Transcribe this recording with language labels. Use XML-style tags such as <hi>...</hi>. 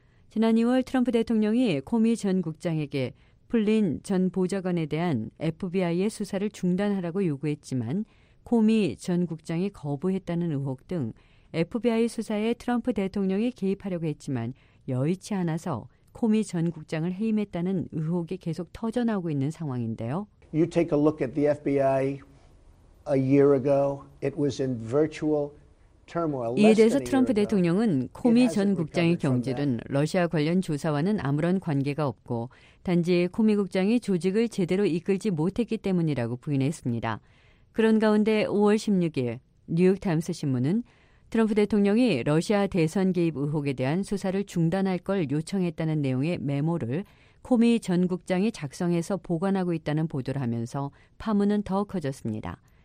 <ko>지난 2월 트럼프 대통령이 코미 전 국장에게 플린 전 보좌관에 대한 FBI의 수사를 중단하라고 요구했지만 코미 전 국장이 거부했다는 의혹 등 FBI 수사에 트럼프 대통령이 개입하려고 했지만 여의치 않아서 코미 전 국장을 해임했다는 의혹이 계속 터져나오고 있는 상황인데요.</ko> <en>You take a look at the FBI a year ago. It was in virtual turmoil.</en> <ko>이에 대해서 트럼프 대통령은 코미 전 국장의 경질은 러시아 관련 조사와는 아무런 관계가 없고 단지 코미 국장이 조직을 제대로 이끌지 못했기 때문이라고 부인했습니다. 그런 가운데 5월 16일 뉴욕타임스 신문은 트럼프 대통령이 러시아 대선 개입 의혹에 대한 수사를 중단할 걸 요청했다는 내용의 메모를 코미 전 국장이 작성해서 보관하고 있다는 보도를 하면서 파문은 더 커졌습니다.</ko>